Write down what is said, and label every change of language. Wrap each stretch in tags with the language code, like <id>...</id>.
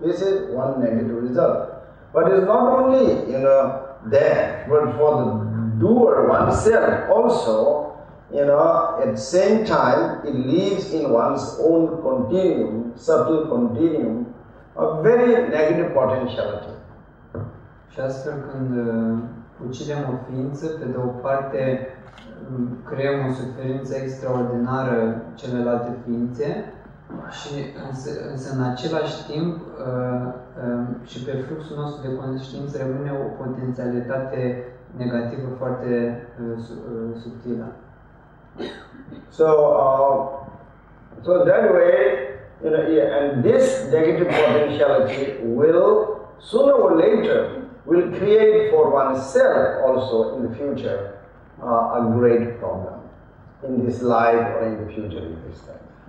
<en>This is one negative result. But it's not only, you know, there, but for the doer oneself also, you know, at the same time, it leaves in one's own continuum, subtle continuum, a very negative potentiality.</en> <ro>Și astfel, când ucidem o ființă, pe de o parte creăm o suferință extraordinară celelalte ființe și însă în același timp și pe fluxul nostru de conștiință rămâne o potențialitate negativă foarte subtilă.</ro> <en>So that way, you know, yeah, and this negative potentiality will sooner or later will create for oneself also in the future a great problem in this life or in the future in this life.</en>